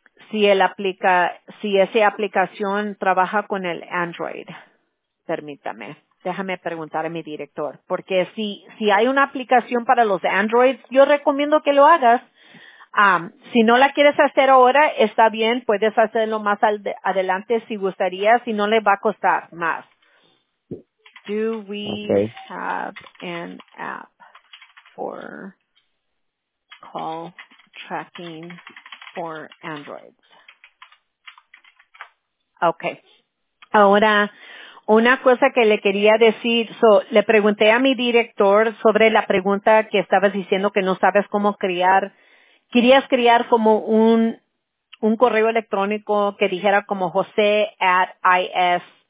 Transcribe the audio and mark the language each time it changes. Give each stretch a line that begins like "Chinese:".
Spanish: Si esa aplicación trabaja con el Android, permítame, déjame preguntar a mi director, porque si hay una aplicación para los Androids, yo recomiendo que lo hagas. Si no la quieres hacer ahora, está bien, puedes hacerlo más adelante si gustaría, si no le va a costar más.
English: Do we okay. have an app for call tracking for Androids? Okay.
Spanish: Ahora, una cosa que le quería decir, le pregunté a mi director sobre la pregunta que estabas diciendo que no sabes cómo crear. ¿Querías crear como un correo electrónico que dijera como jose@is